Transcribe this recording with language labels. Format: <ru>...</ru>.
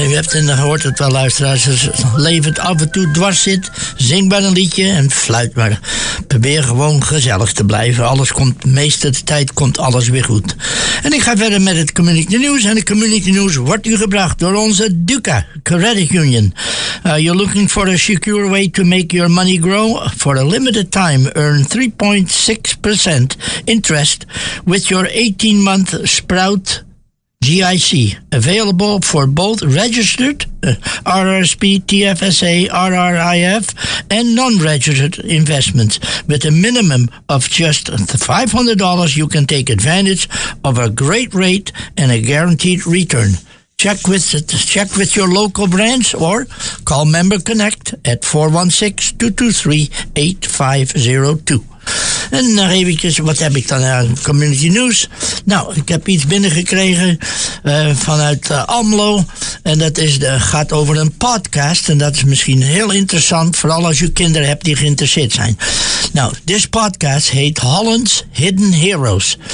<nl>En dan hoort het wel, luisteraars, als levend af en toe dwars zit, zing maar een liedje en fluit maar. Probeer gewoon gezellig te blijven. Alles komt, meeste de tijd komt alles weer goed. En ik ga verder met het Community News. En het Community News wordt u gebracht door onze Duca Credit Union.</nl> <en>You're looking for a secure way to make your money grow? For a limited time, earn 3.6% interest with your 18-month Sprout GIC, available for both registered RRSP, TFSA, RRIF, and non-registered investments. With a minimum of just $500, you can take advantage of a great rate and a guaranteed return. Check with your local branch or call Member Connect at 416-223-8502.</en> <nl>En nog eventjes, wat heb ik dan aan community news? Nou, ik heb iets binnengekregen vanuit AMLO. En dat is gaat over een podcast. En dat is misschien heel interessant, vooral als je kinderen hebt die geïnteresseerd zijn. Nou,</nl> <en>this podcast</en> <nl>heet Holland's Hidden Heroes.</nl>